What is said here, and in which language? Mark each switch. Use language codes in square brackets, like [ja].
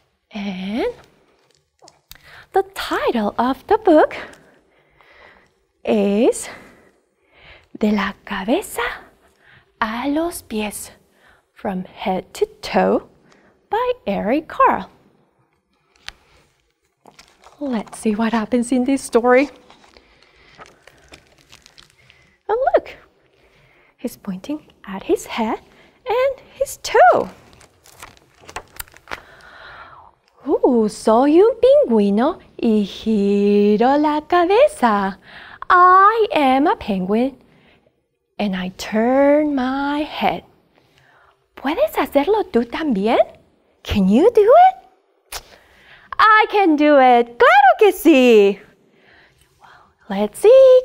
[en] And the title of the book is De la Cabeza a los Pies, From Head to Toe by Eric Carle. Let's see what happens in this story. And look, he's pointing at his head and his toe. [es] Ooh, soy un pingüino y giro la cabeza. [en] I am a penguin and I turn my head. [es] ¿Puedes hacerlo tú también? [en] Can you do it? I can do it. [es] ¡Claro que sí! [en] Let's see.